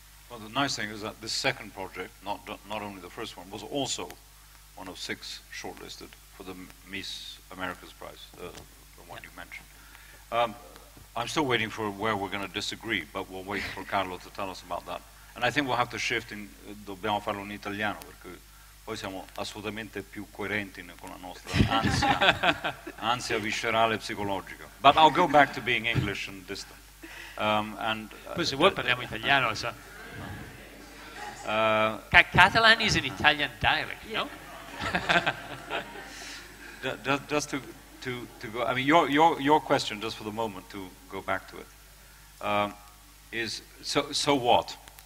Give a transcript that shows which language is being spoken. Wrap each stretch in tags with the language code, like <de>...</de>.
<en>Well, the nice thing is that this second project, not only the first one, was also one of six shortlisted for the Miss Americas Prize, you mentioned. I'm still waiting for where we're going to disagree, but we'll wait for Carlo to tell us about that. And I think we'll have to shift in.</en> <it>Dobbiamo farlo in italiano perché poi siamo assolutamente più coerenti con la nostra ansia viscerale psicologica.</it> <en>But I'll go back to being English and distant.</en> <it>Poi se vuoi parliamo italiano,</it> <en>so. Catalan is an Italian dialect, no? just to go. I mean, your question, just for the moment, to go back to it, is so what?</en>